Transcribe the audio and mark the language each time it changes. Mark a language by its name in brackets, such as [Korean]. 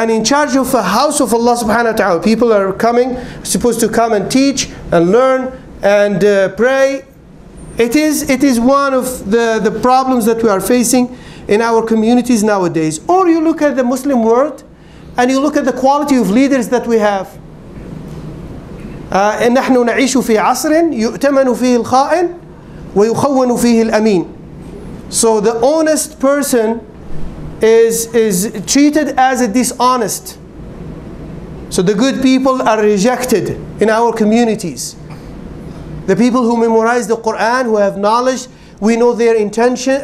[English] And in charge of a house of Allah subhanahu wa ta'ala, people are coming, supposed to come and teach and learn and pray. It is one of the problems that we are facing in our communities nowadays. Or you look at the Muslim world, And you look at the quality of leaders that we have. [Arabic] نحن نعيش في عصر يؤتمن فيه الخائن ويخون فيه الأمين. [English] So the honest person is treated as a dishonest. So the good people are rejected in our communities. The people who memorize the Quran, who have knowledge, we know their intention.